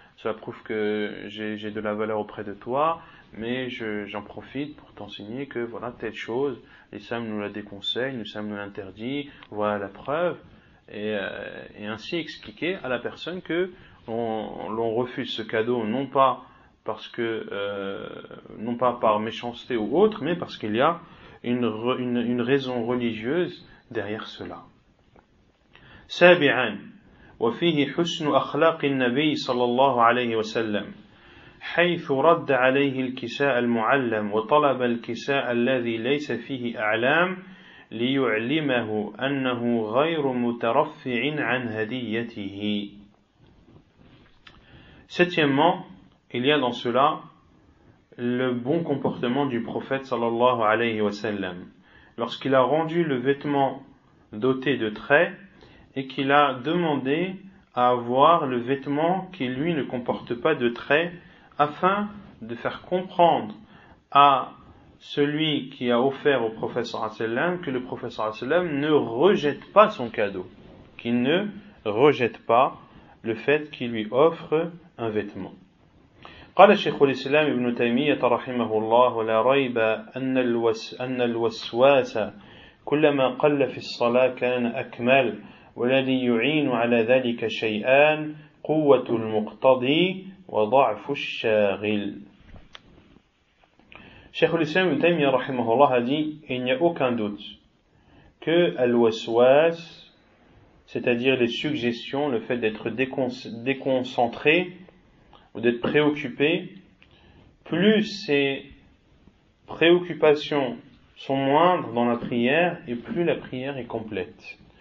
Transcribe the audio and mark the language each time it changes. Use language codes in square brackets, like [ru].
[fr] Cela prouve que j'ai de la valeur auprès de toi, mais j'en profite pour t'enseigner que voilà telle chose, l'islam nous la déconseille, l'islam nous l'interdit, voilà la preuve. Et ainsi expliquer à la personne que l'on refuse ce cadeau, non pas parce que non pas par méchanceté ou autre, mais parce qu'il y a une raison religieuse derrière cela. [ar] Sabi'an, wa fihi husnu akhlaqi an-nabi sallallahu alayhi wa sallam, حيث رد عليه الكساء المعلم وطلب الكساء الذي ليس فيه أعلام ليعلمه أنه غير مترفع عن هديته. [fr] Septièmement, il y a dans cela le bon comportement du prophète [ar] sallallahu alayhi wa sallam [fr] lorsqu'il a rendu le vêtement doté de traits et qu'il a demandé à avoir le vêtement qui lui ne comporte pas de traits afin de faire comprendre à celui qui a offert au professeur Asselin que le professeur Asselin ne rejette pas son cadeau, qu'il ne rejette pas le fait qu'il lui offre un vêtement. [ar] قال الشيخ الإسلام ابن تيمية رحمه الله لا ريب أن الوسواس كلما قل في الصلاة كان أكمل والذي يعين على ذلك شيئان قوة المقتضي وضعف الشاغل. [fr] Cheikh al-Islam ibn Taymiyyah [ar] rahimahullah [fr] a dit, il n'y a aucun doute que al-waswas, c'est-à-dire les suggestions, le fait d'être déconcentré ou d'être préoccupé, plus ces préoccupations sont moindres dans la prière et plus la prière est complète.